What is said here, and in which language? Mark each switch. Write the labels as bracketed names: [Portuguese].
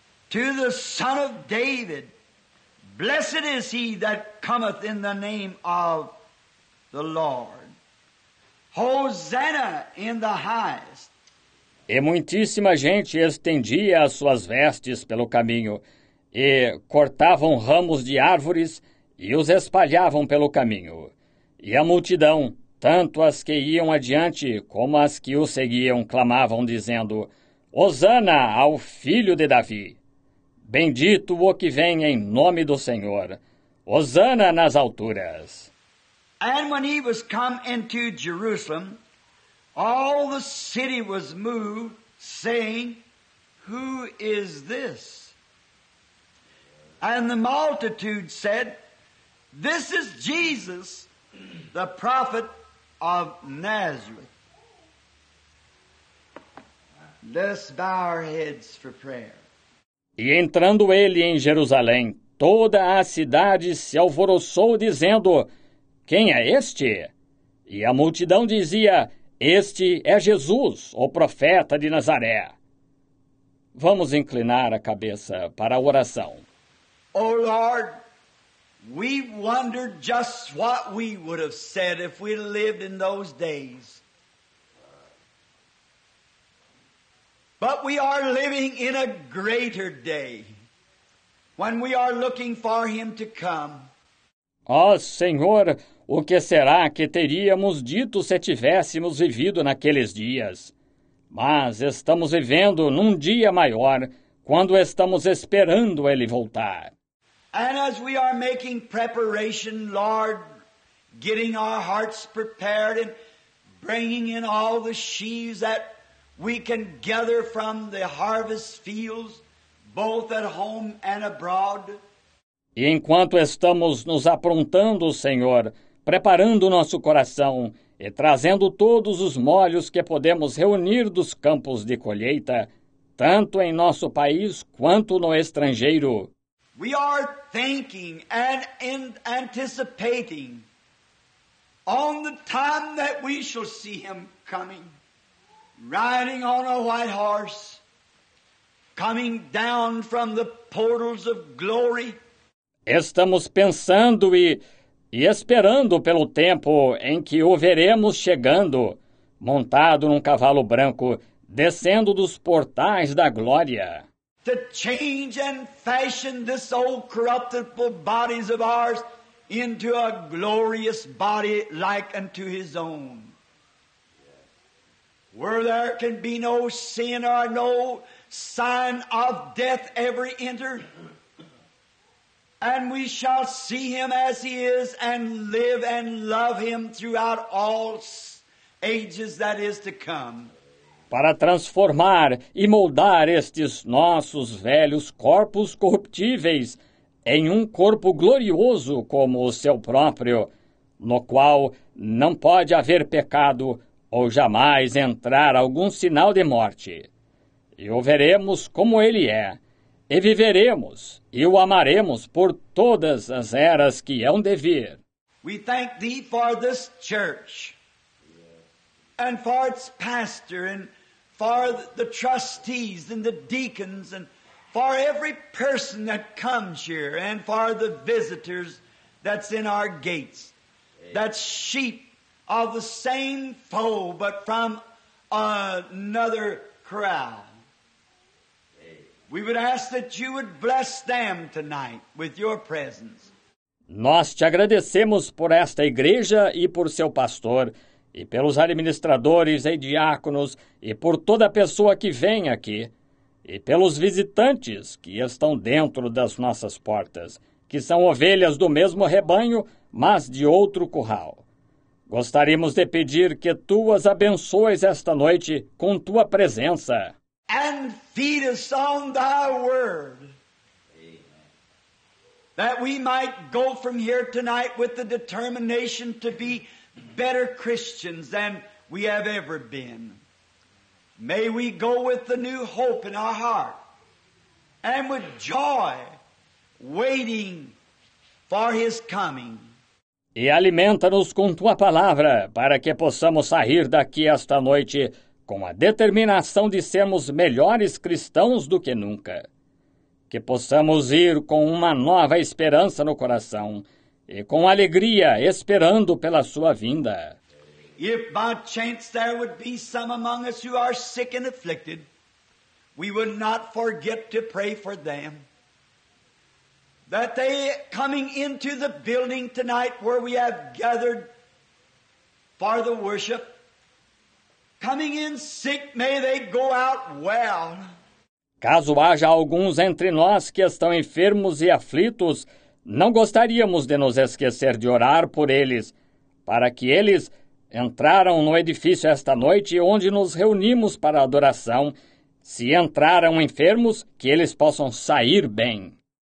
[English] To the Son of David, blessed is he that cometh in the name of the Lord. Hosanna in the highest. [Portuguese] E muitíssima gente estendia as suas vestes pelo caminho e cortavam ramos de árvores e os espalhavam pelo caminho. E a multidão, tanto as que iam adiante como as que o seguiam, clamavam dizendo: Hosanna ao filho de Davi! Bendito o que vem em nome do Senhor! Hosanna nas alturas! [English] And when he was come into Jerusalem, all the city was moved, saying, Who is this? And the multitude said, This is Jesus, the prophet of Nazareth. Let's bow our heads for prayer. [Portuguese] E entrando ele em Jerusalém, toda a cidade se alvoroçou, dizendo, Quem é este? E a multidão dizia, Este é Jesus, o profeta de Nazaré. Vamos inclinar a cabeça para a oração. [English] Oh Lord, we wondered just what we would have said if we lived in those days. But we are living in a greater day when we are looking for him to come. [Portuguese] Oh Senhor, o que será que teríamos dito se tivéssemos vivido naqueles dias? Mas estamos vivendo num dia maior, quando estamos esperando Ele voltar. [English] And as we are making preparation, Lord, getting our hearts prepared and bringing in all the sheaves that we can gather from the harvest fields, both at home and abroad. [Portuguese] E enquanto estamos nos aprontando, Senhor, preparando nosso coração e trazendo todos os molhos que podemos reunir dos campos de colheita, tanto em nosso país quanto no estrangeiro. [English] We are thinking and anticipating on the time that we shall see him coming, riding on a white horse, coming down from the portals of glory. [Portuguese] Estamos pensando e esperando pelo tempo em que o veremos chegando, montado num cavalo branco, descendo dos portais da glória. [English] To change and fashion this old corruptible bodies of ours into a glorious body like unto his own. Where there can be no sin or no sign of death ever enter. And we shall see him as he is and live and love him throughout all ages that is to come. [Portuguese] Para transformar e moldar estes nossos velhos corpos corruptíveis em um corpo glorioso como o seu próprio, no qual não pode haver pecado ou jamais entrar algum sinal de morte. E o veremos como ele é. E viveremos e o amaremos por todas as eras que hão de vir. [English] We thank thee for this church and for its pastor and for the trustees and the deacons and for every person that comes here and for the visitors that's in our gates. That's sheep of the same fold but from another corral. We would ask that you would bless them tonight with your presence. [Portuguese] Nós te agradecemos por esta igreja e por seu pastor, e pelos administradores e diáconos, e por toda pessoa que vem aqui, e pelos visitantes que estão dentro das nossas portas, que são ovelhas do mesmo rebanho, mas de outro curral. Gostaríamos de pedir que tu as abençoes esta noite com tua presença. [English] And feed us on thy word. Amen. That we might go from here tonight with the determination to be better Christians than we have ever been. May we go with the new hope in our heart and with joy waiting for his coming. [Portuguese] E alimenta-nos com tua palavra para que possamos sair daqui esta noite com a determinação de sermos melhores cristãos do que nunca. Que possamos ir com uma nova esperança no coração e com alegria esperando pela sua vinda. [English] If by chance there would be some among us who are sick and afflicted, we would not forget to pray for them. That they coming into the building tonight where we have gathered for the worship, coming in sick, may they go out well. [Portuguese] Caso haja alguns entre nós que estão enfermos e aflitos, não gostaríamos de nos esquecer de orar por eles, para que eles entraram no edifício esta noite onde nos reunimos para adoração. Se entraram enfermos, que eles possam sair bem.